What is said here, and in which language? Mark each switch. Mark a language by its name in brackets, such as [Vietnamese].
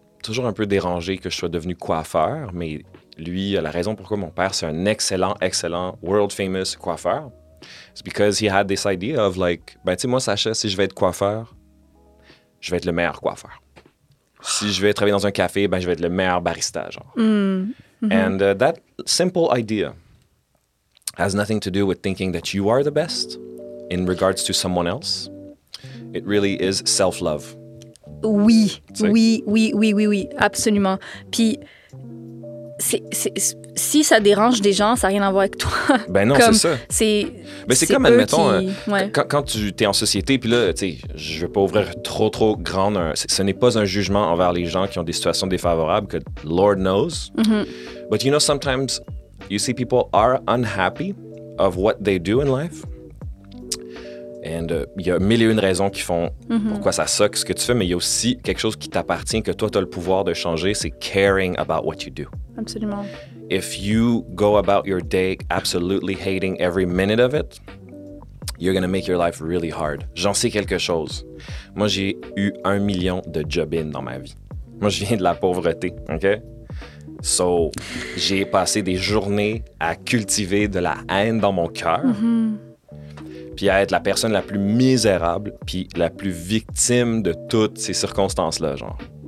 [French] toujours un peu dérangé que je sois devenu coiffeur, mais lui, la raison pourquoi mon père, c'est un excellent, excellent, world-famous coiffeur, c'est [English] because he had this idea of like, [French] ben, tu sais, moi, Sacha, si je vais être coiffeur, je vais être le meilleur coiffeur. Si je vais travailler dans un café, ben, je vais être le meilleur barista, genre. Mm-hmm. [English] And that simple idea has nothing to do with thinking that you are the best in regards to someone else. It really is self-love. [French] Oui, oui, oui, oui, oui, oui, absolument. Puis, c'est, si ça dérange des gens, ça n'a rien à voir avec toi. Ben non, comme, c'est ça. C'est, mais c'est comme, admettons, qui... ouais. quand tu es en société, puis là, tu sais, je ne vais pas ouvrir trop, trop grand. Ce n'est pas un jugement envers les gens qui ont des situations défavorables, que [English] Lord knows. Mm-hmm. But you know, sometimes you see people are unhappy of what they do in life. [French] And il y a mille et une raisons qui font pourquoi ça suck ce que tu fais, mais il y a aussi quelque chose qui t'appartient, que toi, tu as le pouvoir de changer, c'est [English] caring about what you do. [French] Absolument. [English] If you go about your day absolutely hating every minute of it, you're going to make your life really hard. [French] J'en sais quelque chose. Moi, j'ai eu 1 million de job-in dans ma vie. Moi, je viens de la pauvreté, OK? So, j'ai passé des journées à cultiver de la haine dans mon cœur. Mm-hmm. Puis à être la personne la plus misérable puis la plus victime de toutes ces circonstances-là, genre.